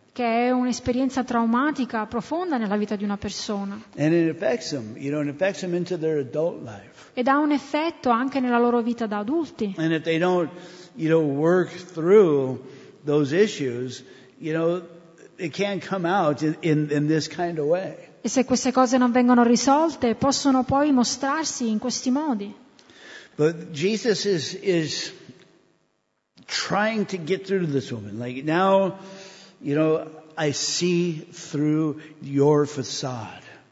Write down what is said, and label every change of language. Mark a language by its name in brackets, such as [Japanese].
[Italian] Che è un'esperienza traumatica profonda nella vita di una persona. [English] And it affects them, you know, it affects them into their adult life. [Italian] Ed ha un effetto anche nella loro vita da adulti. [English] And if they don't, you know, work through those issues, you know, it can't come out in this kind of way. [Italian] E se queste cose non vengono risolte, possono poi mostrarsi in questi modi. [English] But Jesus is trying to get through to this woman. Like, now, you know, I see through your facade.